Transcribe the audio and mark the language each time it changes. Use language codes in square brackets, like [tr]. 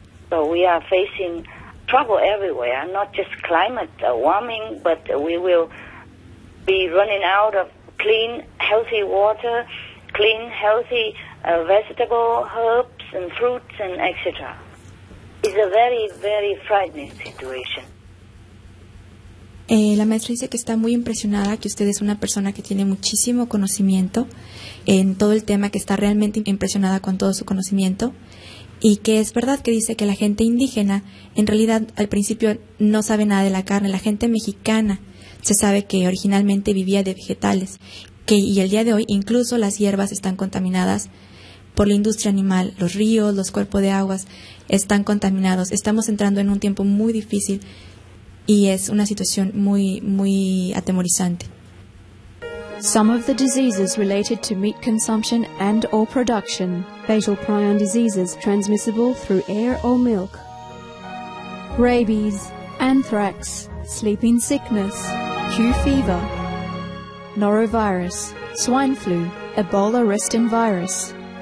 [en] So we are facing trouble everywhere, not just climate warming, but we will be running out of clean, healthy water, clean, healthy vegetable, herbs and fruits and etc. It's a very, very frightening situation. [es] La maestra dice que está muy impresionada, que usted es una persona que tiene muchísimo conocimiento en todo el tema, que está realmente impresionada con todo su conocimiento, y que es verdad que dice que la gente indígena en realidad al principio no sabe nada de la carne. La gente mexicana se sabe que originalmente vivía de vegetales, y el día de hoy incluso las hierbas están contaminadas por la industria animal, los ríos, los cuerpos de aguas están contaminados. Estamos entrando en un tiempo muy difícil y es una situación muy, muy atemorizante. [en] Some of the diseases related to meat consumption and or production. Fatal prion diseases transmissible through air or milk. Rabies, anthrax, sleeping sickness, Q fever, norovirus, swine flu, Ebola Resting virus.